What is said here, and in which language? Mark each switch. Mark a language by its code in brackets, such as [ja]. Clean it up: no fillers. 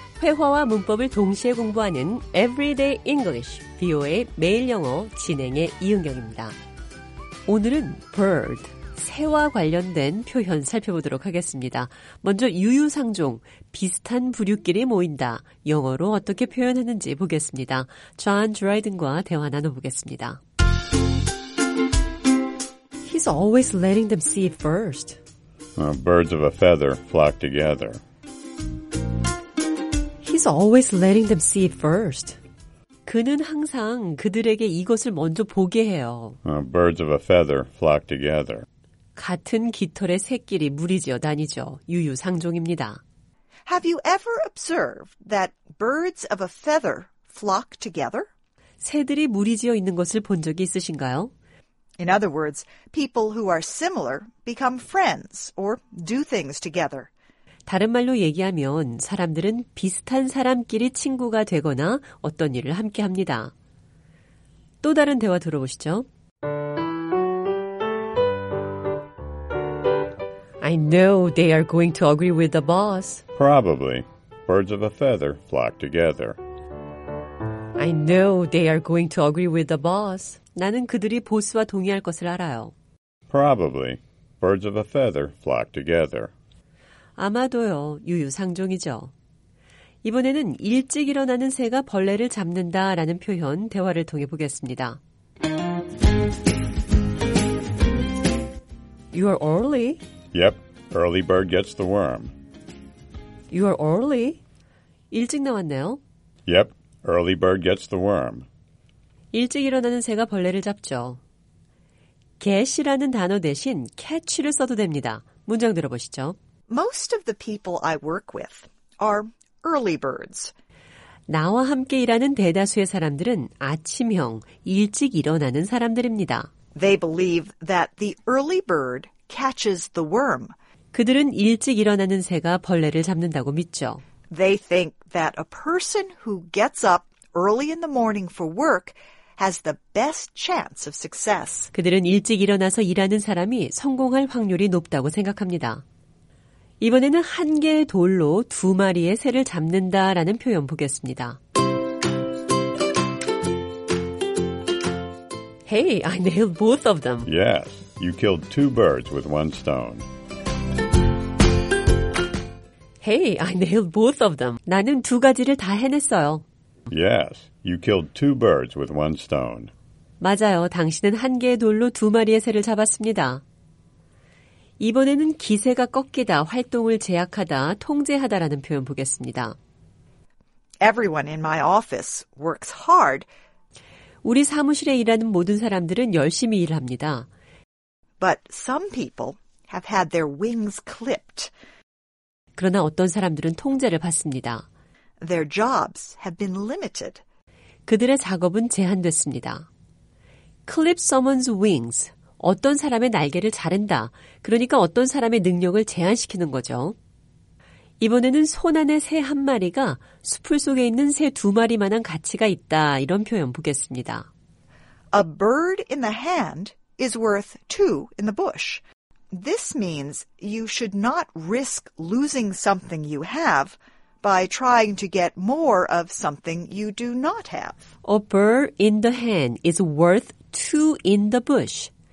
[ko] 회화와 문법을 동시에 공부하는 Everyday English, VOA 매일 영어 진행의 이은경입니다. 오늘은 bird, 새와 관련된 표현 살펴보도록 하겠습니다. 먼저 유유상종, 비슷한 부류끼리 모인다. 영어로 어떻게 표현하는지 보겠습니다. 존 드라이든과 대화 나눠보겠습니다. [en] He's always letting them see first. Birds of a feather flock together. He's always letting them see first. [ko] 그는 항상 그들에게 이것을 먼저 보게 해요. [en] Birds of a feather flock together. [ko] 같은 깃털의 새끼리 무리지어 다니죠. 유유상종입니다. [en] Have you ever observed that birds of a feather flock together? [ko] 새들이 무리지어 있는 것을 본 적이 있으신가요? [en] In other words, people who are similar become friends or do things together. [ko] 다른 말로 얘기하면 사람들은 비슷한 사람끼리 친구가 되거나 어떤 일을 함께 합니다. 또 다른 대화 들어보시죠. [en] I know they are going to agree with the boss. Probably. Birds of a feather flock together. I know they are going to agree with the boss. [ko] 나는 그들이 보스와 동의할 것을 알아요. [en] Probably. Birds of a feather flock together. [ko] 아마도요. 유유상종이죠. 이번에는 일찍 일어나는 새가 벌레를 잡는다라는 표현 대화를 통해 보겠습니다. [en] You are early. Yep. Early bird gets the worm. You are early. [ko] 일찍 나왔네요. [en] Yep. Early bird gets the worm. [ko] 일찍 일어나는 새가 벌레를 잡죠. get이라는 단어 대신 catch를 써도 됩니다. 문장 들어보시죠. [en] Most of the people I work with are early birds. [ko] 나와 함께 일하는 대다수의 사람들은 아침형, 일찍 일어나는 사람들입니다. [en] They believe that the early bird catches the worm. [ko] 그들은 일찍 일어나는 새가 벌레를 잡는다고 믿죠. [en] They think that a person who gets up early in the morning for work has the best chance of success. [ko] 그들은 일찍 일어나서 일하는 사람이 성공할 확률이 높다고 생각합니다. 이번에는 한 개의 돌로 두 마리의 새를 잡는다라는 표현 보겠습니다. [en] Hey, I nailed both of them. Yes, You killed two birds with one stone. Hey, I nailed both of them. [ko] 나는 두 가지를 다 해냈어요. [en] Yes, you killed two birds with one stone. [ko] 맞아요. 당신은 한 개의 돌로 두 마리의 새를 잡았습니다. 이번에는 기세가 꺾이다, 활동을 제약하다, 통제하다라는 표현 보겠습니다. [en] Everyone in my office works hard. [ko] 우리 사무실에 일하는 모든 사람들은 열심히 일합니다. [en] But some people have had their wings clipped. [ko] 그러나 어떤 사람들은 통제를 받습니다. [en] Their jobs have been limited. [ko] 그들의 작업은 제한됐습니다. [en] Clip someone's wings. [ko] 어떤 사람의 날개를 자른다. 그러니까 어떤 사람의 능력을 제한시키는 거죠. 이번에는 손 안에 새 한 마리가 수풀 속에 있는 새 두 마리만한 가치가 있다. 이런 표현 보겠습니다. [en] A bird in the hand is worth two in the bush. This means you should not risk losing something you have by trying to get more of something you do not have. A bird in the hand is worth two in the bush.